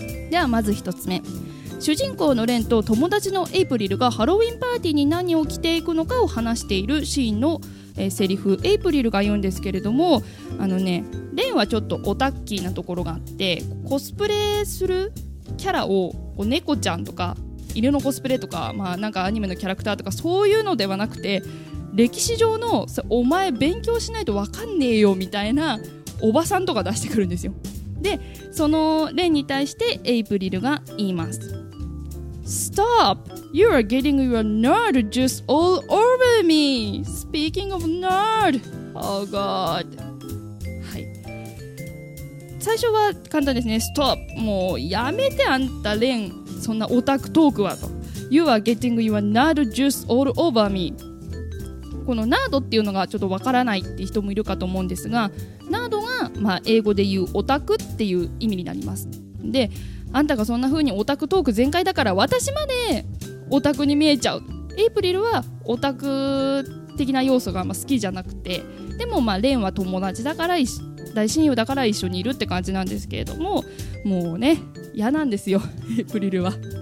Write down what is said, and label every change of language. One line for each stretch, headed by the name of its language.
Japanese: ではまず1つ目、主人公のレンと友達のエイプリルがハロウィンパーティーに何を着ていくのかを話しているシーンのセリフ、エイプリルが言うんですけれども、あのね、レンはちょっとオタッキーなところがあって、コスプレするキャラをこう猫ちゃんとか犬のコスプレとか、まあ、なんかアニメのキャラクターとかそういうのではなくて、歴史上のお前勉強しないと分かんねえよみたいなおばさんとか出してくるんですよ。でそのレンに対してエイプリルが言います。
English: Stop! You are getting your nerd juice all over me! Speaking of nerd! Oh god!
Japanese: はい、最初は簡単ですね。
English: Stop!
Japanese: もうやめてあんたレン、そんなオタクトークはと。
English: You are getting your nerd juice all over me!
Japanese: このナードっていうのがちょっとわからないって人もいるかと思うんですが、ナードがまあ英語で言うオタクっていう意味になります。で、あんたがそんな風にオタクトーク全開だから私までオタクに見えちゃう。エイプリルはオタク的な要素がまあ好きじゃなくて、でもまあレンは友達だから大親友だから一緒にいるって感じなんですけれども、もうね嫌なんですよエイプリルは。